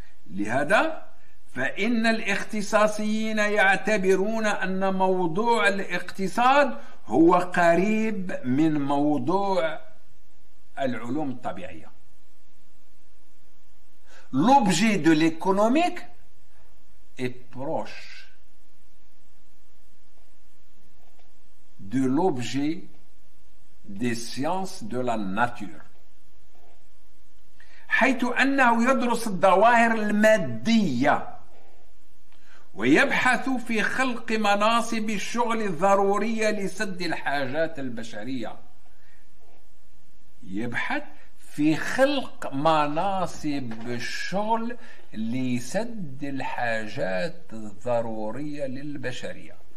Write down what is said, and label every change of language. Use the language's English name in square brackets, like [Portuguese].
[Arabic] لهذا فإن الاختصاصيين يعتبرون أن موضوع الاقتصاد هو قريب من موضوع العلوم الطبيعية. [French] L'objet de l'économique est proche de l'objet des sciences de la nature. [Arabic] حيث أنه يدرس الظواهر المادية ويبحث في خلق مناصب الشغل الضرورية لسد الحاجات البشرية. يبحث في خلق مناصب الشغل لسد الحاجات الضرورية للبشرية.